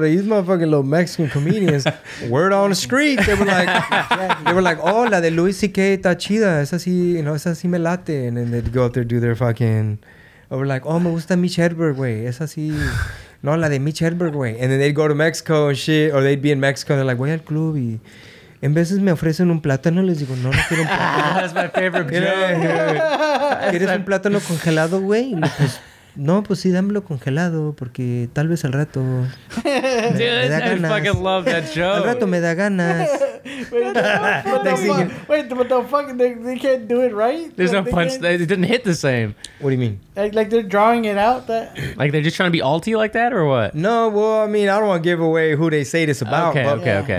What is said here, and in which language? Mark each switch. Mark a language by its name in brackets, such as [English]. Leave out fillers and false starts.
[English] These motherfucking little Mexican comedians, word on the street, they were like, they were like, [Spanish] oh, la de Luis C.K. está chida. Esa sí, [English] you know, [Spanish] esa sí me late. [English] And then they'd go up there, do their fucking, or like, oh, [Spanish] me gusta Mitch Hedberg, güey. Esa sí... No, la de Mitch Hedberg, güey. [English] And then they'd go to Mexico and shit, or they'd be in Mexico, and they're like, [Spanish] voy al club y... En veces me ofrecen un plátano, les digo, no, no quiero un plátano. [English] That's my favorite joke. Yeah. [Spanish] ¿Quieres un plátano congelado, güey? Pues, no, pues sí, dámelo congelado, porque tal vez al rato... [English] Dude, I [Spanish] ganas. [English] Fucking love that joke. [Spanish] Al rato me da ganas. [English] Wait, but the fucking, they can't do it right? There's no punch. It didn't hit the same. What do you mean? Like they're drawing it out? Like they're just trying to be alt-y like that or what? No, well, I mean, I don't want to give away who they say this about. Okay.